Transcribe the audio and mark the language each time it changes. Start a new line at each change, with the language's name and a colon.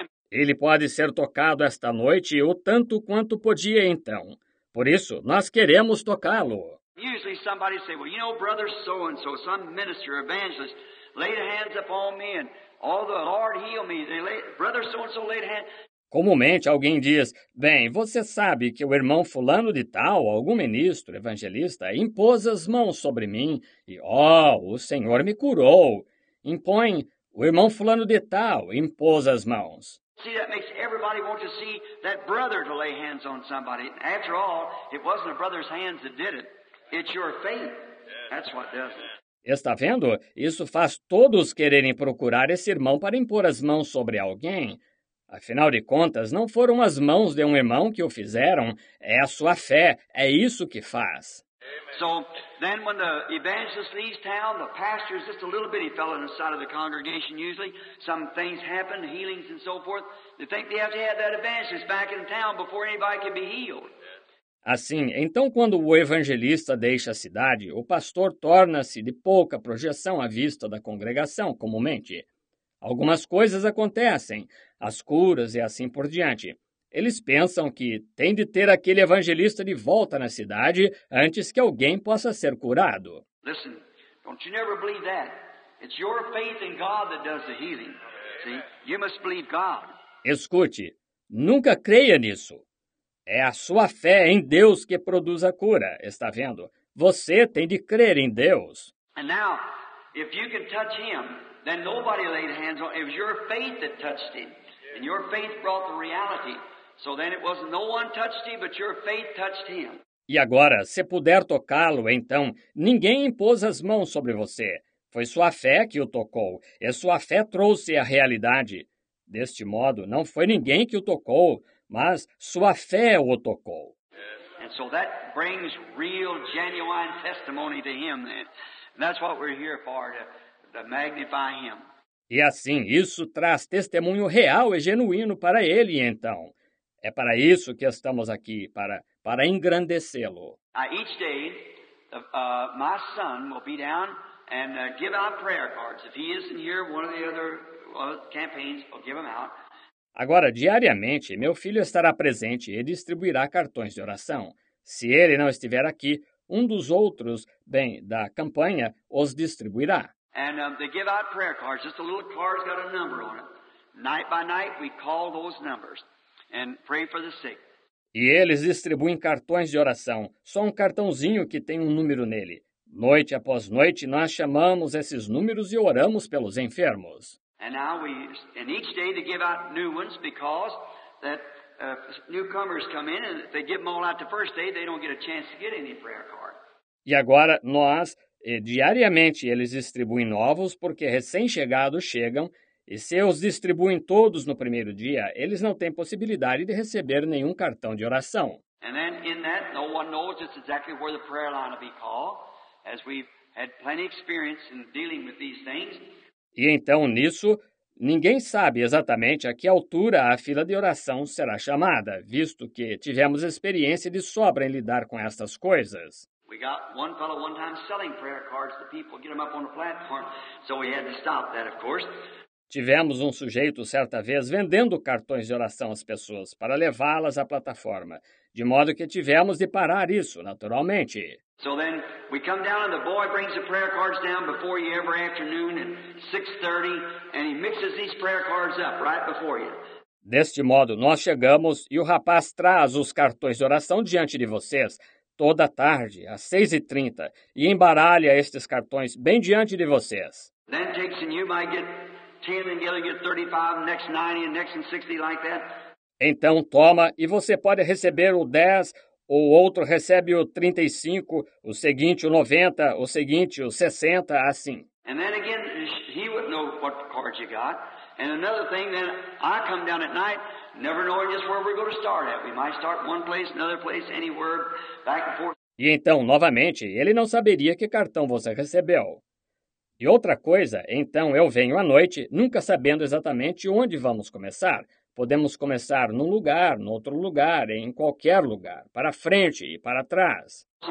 Portuguese: Ele pode ser tocado esta noite o tanto quanto podia então. Por isso, nós queremos tocá-lo.
English: Usually somebody say, well, you know, brother so-and-so, some minister, evangelist, laid hands upon me and all the Lord healed me. They laid, brother so-and-so laid hands.
Portuguese: Comumente alguém diz, bem, você sabe que o irmão fulano de tal, algum ministro, evangelista, impôs as mãos sobre mim e, ó, o Senhor me curou. Impõe, o irmão fulano de tal impôs as mãos.
English: See, that makes everybody want to see that brother to lay hands on somebody. After all, it wasn't a brother's hands that did it. It's your faith. That's what does it.
Portuguese: Está vendo? Isso faz todos quererem procurar esse irmão para impor as mãos sobre alguém. Afinal de contas, não foram as mãos de um irmão que o fizeram, é a sua fé, é isso que faz.
English: So, then when the evangelist leaves town, the pastor is just a little bitty fellow inside of the congregation usually. Some things happen, healings and so forth. They think they have to have that evangelist back in town before anybody can be healed.
Portuguese: Assim, então quando o evangelista deixa a cidade, o pastor torna-se de pouca projeção à vista da congregação, comumente. Algumas coisas acontecem, as curas e assim por diante. Eles pensam que tem de ter aquele evangelista de volta na cidade antes que alguém possa ser curado.
English: Listen, don't you never believe that. It's your faith in God that does the healing. See? You must believe God.
Portuguese: Escute, nunca creia nisso. É a sua fé em Deus que produz a cura, está vendo? Você tem de crer em Deus.
English: And now, if you can touch him, then nobody laid hands on. It was your faith that touched him, and your faith brought the reality. So then it was no one touched him, but your faith touched him.
Portuguese: E agora, se puder tocá-lo, então ninguém impôs as mãos sobre você. Foi sua fé que o tocou, e sua fé trouxe a realidade. Deste modo, não foi ninguém que o tocou, mas sua fé o tocou.
English: And so that brings real, genuine testimony to him. Then. And that's what we're here for. To magnify him.
Portuguese: E assim, isso traz testemunho real e genuíno para ele, então. É para isso que estamos aqui, para engrandecê-lo.
English: Each day, my son will be down and give out prayer cards. If he isn't here, one of the other campaigns will give them out.
Portuguese: Agora, diariamente, meu filho estará presente e distribuirá cartões de oração. Se ele não estiver aqui, um dos outros, bem, da campanha, os distribuirá.
English: And they give out prayer cards, just a little card's got a number on it. Night by night, we call those numbers and pray for the sick.
Portuguese: E eles distribuem cartões de oração, só um cartãozinho que tem um número nele. Noite após noite, nós chamamos esses números e oramos pelos enfermos.
English: And each day they give out new ones because that newcomers come in and if they give them all out the first day, they don't get a chance to get any prayer card.
Portuguese: E agora nós... E diariamente eles distribuem novos porque recém-chegados chegam e se os distribuem todos no primeiro dia, eles não têm possibilidade de receber nenhum cartão de oração.
English: And then in that, no one knows just exactly where the prayer line will be called as we had plenty of experience in dealing with these things.
Portuguese: E então, nisso, ninguém sabe exatamente a que altura a fila de oração será chamada, visto que tivemos experiência de sobra em lidar com estas coisas.
English: We got one fellow one time selling prayer cards to people, get them up on the platform, so we had to stop that, of course.
Portuguese: Tivemos um sujeito certa vez vendendo cartões de oração às pessoas para levá-las à plataforma, de modo que tivemos de parar isso, naturalmente.
English: So then we come down and the boy brings the prayer cards down before you every afternoon at 6:30 and he mixes these prayer cards up right before you.
Portuguese: Deste modo, nós chegamos e o rapaz traz os cartões de oração diante de vocês toda tarde, às 6:30, e embaralha estes cartões bem diante de vocês.
English: Then Jason, you might get 10 and you'll get 35, next 90 and next 60 like that.
Portuguese: Então toma e você pode receber o 10, o outro recebe o 35, o seguinte o 90, o seguinte o 60, assim.
English: And then again, he would know what cards you got. And another thing, then I come down at night, never knowing just where we're going to start at. We might start one place, another place, anywhere, back and forth.
Portuguese: E então, novamente, ele não saberia que cartão você recebeu. E outra coisa, então eu venho à noite, nunca sabendo exatamente onde vamos começar. Podemos começar num lugar, no outro lugar, em qualquer lugar, para frente e para trás.